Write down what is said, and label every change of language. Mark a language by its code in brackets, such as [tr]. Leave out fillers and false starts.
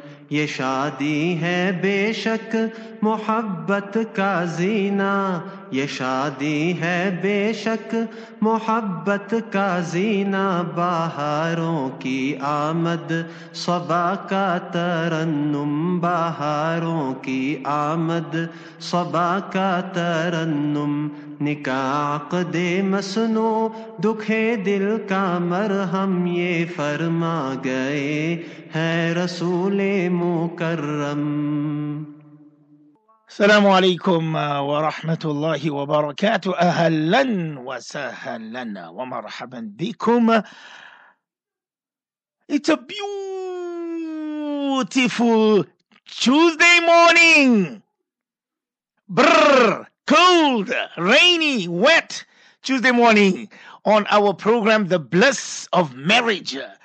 [ur] یہ شادی ہے بے شک محبت کا زینہ یہ شادی ہے بے شک محبت کا زینہ بہاروں کی آمد صبا کا ترنم بہاروں کی آمد صبا کا ترنم نکاح عقد مسنو دکھے دل کا مرہم یہ فرما گئے ہے رسول مکرم. [ar] السلام عليكم ورحمة الله وبركاته، أهلا وسهلا ومرحبا بكم. [en] It's a beautiful Tuesday morning. Cold, rainy, wet Tuesday morning on our program, The Bliss of Marriage.